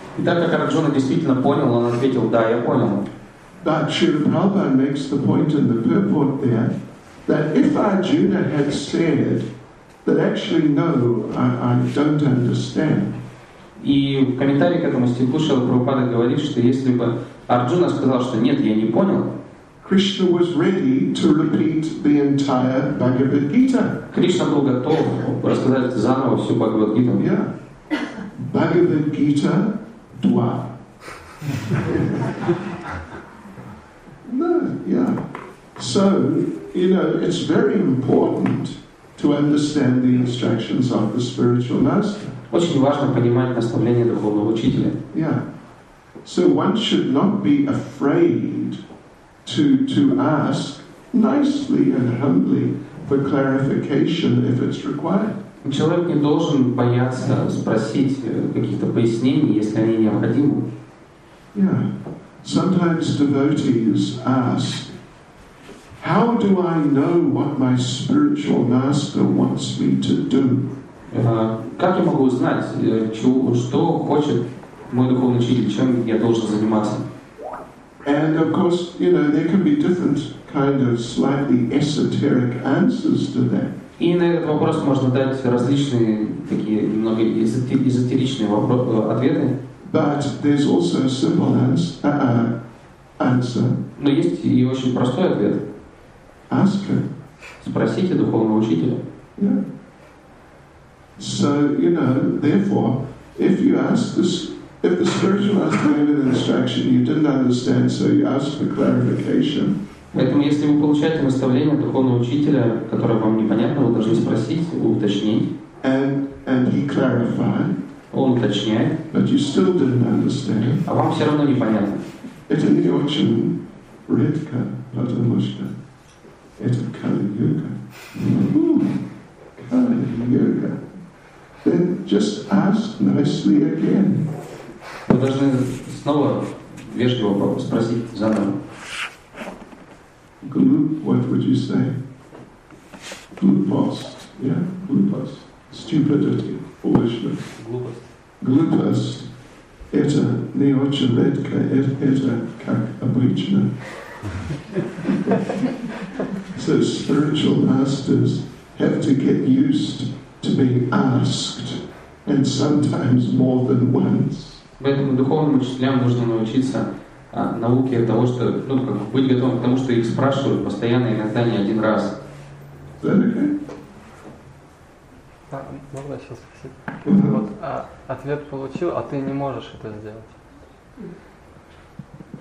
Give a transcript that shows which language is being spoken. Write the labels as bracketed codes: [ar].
[ru] И так как Арджуна действительно понял, он ответил, "Да, я понял." [en] But Srila Prabhupada makes the point in the purport there that if Arjuna had said that actually no, I don't understand. [ru] И в комментарии к этому стиху Шрила Прабхупада говорит, что если бы Арджуна сказал, что нет, я не понял. [en] Krishna was ready to repeat the entire Bhagavad Gita. [ru] Кришна был готов рассказать заново всю Бхагавад Гиту. [en] Yeah. Bhagavad Gita 2. So, you know, it's very important to understand the instructions of the spiritual master. [ru] Очень важно понимать наставления духовного учителя. [en] Yeah. So one should not be afraid to ask nicely and humbly for clarification if it's required. [ru] Человек не должен бояться спросить каких-то пояснений, если они необходимы. [en] Yeah. Sometimes devotees ask, how do I know what my spiritual master wants me to do? [ru] Как я могу узнать, что хочет мой духовный учитель, чем я должен заниматься? [en] And of course, you know, there can be different kind of slightly esoteric answers to that. [ru] И на этот вопрос можно дать различные такие немного эзотеричные ответы. [en] But there's also a simple answer. [ru] Но есть и очень простой ответ. [en] Ask him. [ru] Спросите духовного учителя. [en] Yeah. So, you know, therefore, if you ask this, if the spiritual master gave an instruction you didn't understand, so you ask for clarification. [ru] Поэтому, если вы получаете наставление духовного учителя, которое вам непонятно, вы должны спросить, уточнить. [en] And he clarified. [ru] Он уточняет. [en] But you still didn't understand. [ru] А вам все равно непонятно. Это не очень редко, потому что это Кали-юга. [en] Кали-юга. Then just ask nicely again. [ru] Вы должны снова вежливо спросить заново. [en] Glup, what would you say? Glupost, yeah? Glupost. Stupidity, foolishness. [ru] Glupost. Glupost. Это не очень редко, это как обычно. [en] So spiritual masters have to get used to being asked, and sometimes more than once. [ru] Поэтому духовным учителям нужно научиться науке того, что, ну, как бы быть готовым к тому, что их спрашивают постоянно, иногда не один раз. А, можно сейчас спросить? Mm-hmm. Вот, а, ответ получил, а ты не можешь это сделать.